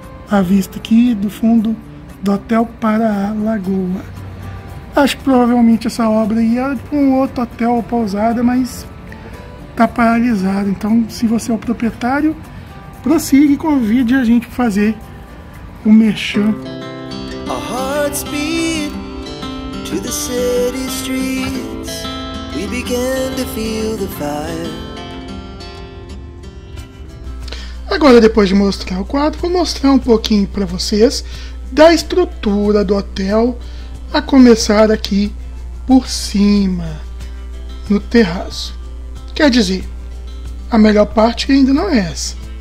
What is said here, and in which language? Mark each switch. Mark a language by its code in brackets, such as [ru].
[pt] A vista aqui do fundo do hotel para a lagoa. Acho que provavelmente essa obra ia para um outro hotel ou pousada, mas tá paralisado. Então, se você é o proprietário, prossiga e convide a gente para fazer o merchan. [en] Our hearts beat to the city streets. We began to feel the fire. [pt] Agora, depois de mostrar o quadro, vou mostrar um pouquinho para vocês da estrutura do hotel, a começar aqui por cima, no terraço. Quer dizer, a melhor parte ainda não é essa.